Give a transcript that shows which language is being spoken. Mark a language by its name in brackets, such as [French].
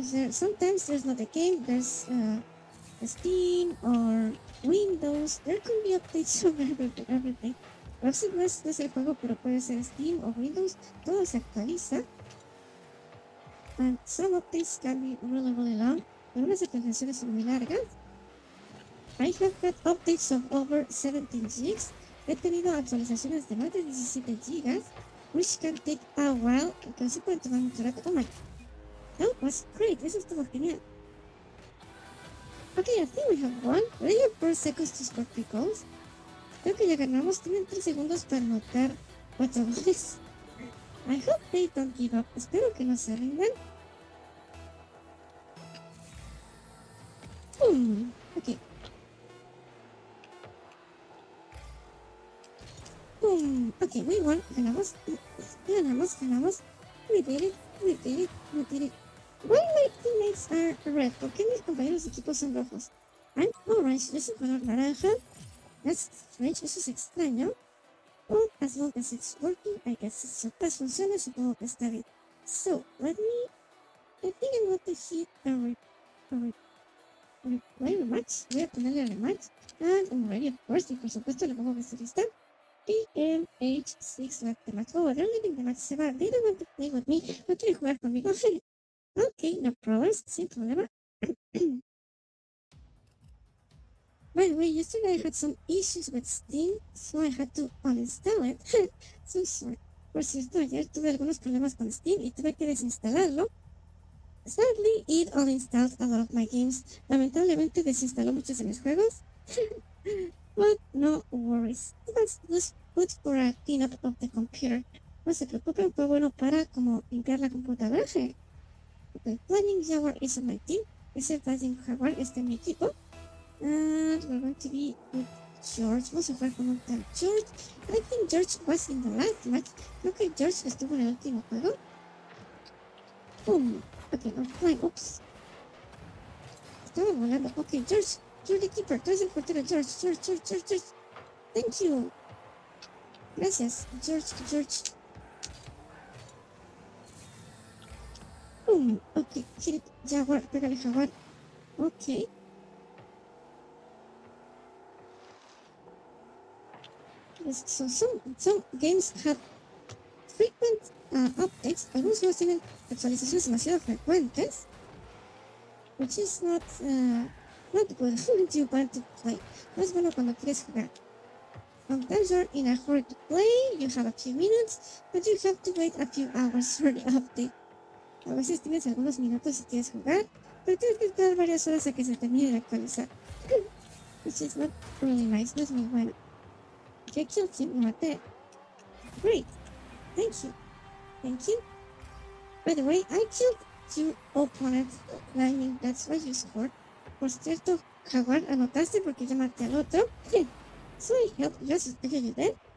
[English] Sometimes there's not a game, there's Steam or Windows. There can be updates on everything. [Spanish] A veces no es el juego, pero puede ser Steam o Windows. Todo se actualiza. [English] And some updates can be really, really long. [Spanish] Pero unas actualizaciones son muy largas. [English] I have had updates of over 17 gigs. [Spanish] He tenido actualizaciones de más de 17 gigas. [English] Which can take a while, because it can take a long time. Oh my, that was great, [Spanish] eso estuvo genial. [English] Ok, I think we have won. We have 4 seconds to score 3 goals. [Spanish] Creo que ya ganamos, tienen 3 segundos para anotar 4 goles. [English] I hope they don't give up, [Spanish] espero que no se rindan. [English] Ok. Boom. Ok, we won, [Spanish] ganamos, ganamos, ganamos. [English] We did it, we did it, we did it. Why my teammates are red? [Spanish] ¿Por qué mis compañeros de equipo son rojos? [English] I'm orange, [Spanish] yo soy color naranja. [English] That's strange, [Spanish] eso es extraño. [English] Well, as long as it's working, I guess it's your best [Spanish] funciona, supongo que está bien. [English] So, let me... I think I'm going to hit a replay rematch. [Spanish] Voy a ponerle a rematch. [English] And I'm ready, of course, [Spanish] y por supuesto le pongo que esté lista. [English] PMH6 left the match. Oh, they're leaving the match. [Spanish] Se va. [English] They don't want to play with me. [Spanish] No quiere jugar conmigo. [English] Ok, no problems. [Spanish] Sin problema. [English] By the way, yesterday I had some issues with Steam, so I had to uninstall it. So sorry. [Spanish] Por cierto, ayer tuve algunos problemas con Steam y tuve que desinstalarlo. [English] Sadly, it uninstalled a lot of my games. [Spanish] Lamentablemente desinstaló muchos de mis juegos. [English] But no worries, it was good for a cleanup of the computer. [Spanish] No se preocupen, fue bueno para como limpiar la computadora. [English] Okay, Flying Jaguar is on my team. [Spanish] Es el Flying Jaguar, este es mi equipo. [English] And we're going to be with George. [Spanish] Vamos a jugar con un tal George. [English] I think George was in the last match. [Spanish] Creo que George estuvo en el último juego. [English] Boom. Ok, I'm flying, oops. [Spanish] Estaba volando, [English] ok, George. You're the keeper, [Spanish] tú eres el portero, [English] George, George, George, George, George. Thank you. [Spanish] Gracias, George, George. [English] Boom, ok, hit it, Jaguar, [Spanish] pégale Jaguar. [English] Ok. Yes, so some games have frequent updates. [Spanish] Algunos juegos tienen actualizaciones demasiado frecuentes. [English] Which is not... not good. Who do you want to play? [Spanish] No es bueno cuando quieres jugar. [English] Sometimes you're in a hurry to play, you have a few minutes, but you have to wait a few hours for the update. [Spanish] A veces tienes algunos minutos si quieres jugar, pero tienes que esperar varias horas a que se termine de actualizar. [English] Which is not really nice, [Spanish] no es muy bueno. Yo quiero que me mate. [English] Great. Thank you. Thank you. By the way, I killed two opponents lightning. That's why you scored. [Spanish] Por cierto, Jaguar, anotaste porque yo maté al otro. [English] So I helped you, just because you did.